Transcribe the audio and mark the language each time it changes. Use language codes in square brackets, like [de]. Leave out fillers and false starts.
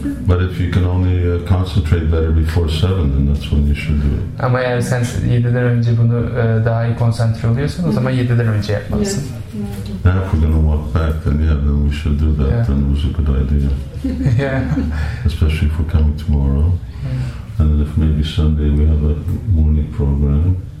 [en] But if you can only concentrate better before 7, then that's when you should do it. [tr] Ama eğer sen 7'den önce bunu daha iyi konsantre oluyorsan o zaman 7'den önce yapmalısın. [en] Then if we're going to walk back, then we should do that. Yeah. Then it was a good idea. Yeah. Especially if we're coming tomorrow. Yeah. And then if maybe Sunday we have a morning program.